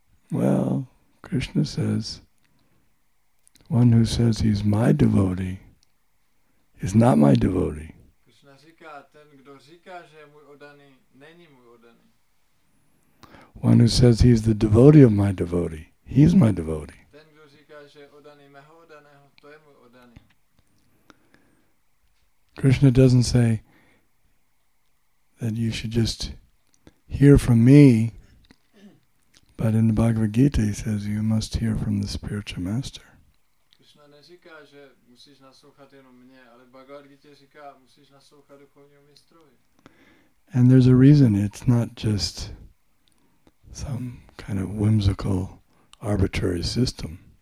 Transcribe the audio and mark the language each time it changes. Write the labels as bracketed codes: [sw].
[en] Well, Krishna says, one who says he's my devotee is not my devotee. [cs] Krishna říká, ten, kdo říká, že je můj oddaný, není můj oddaný. [en] One who says he's the devotee of my devotee, he's my devotee. [cs] Ten, kdo říká, že je oddaný mého oddaného, to je můj oddaný. [en] Krishna doesn't say that you should just hear from me. But in the Bhagavad Gita, he says, you must hear from the spiritual master. [cs] Krishna neříká, že musíš naslouchat jenom mě, ale Bhagavad Gita říká, musíš naslouchat duchovního mistrovi. [en] And there's a reason. It's not just some kind of whimsical, arbitrary system.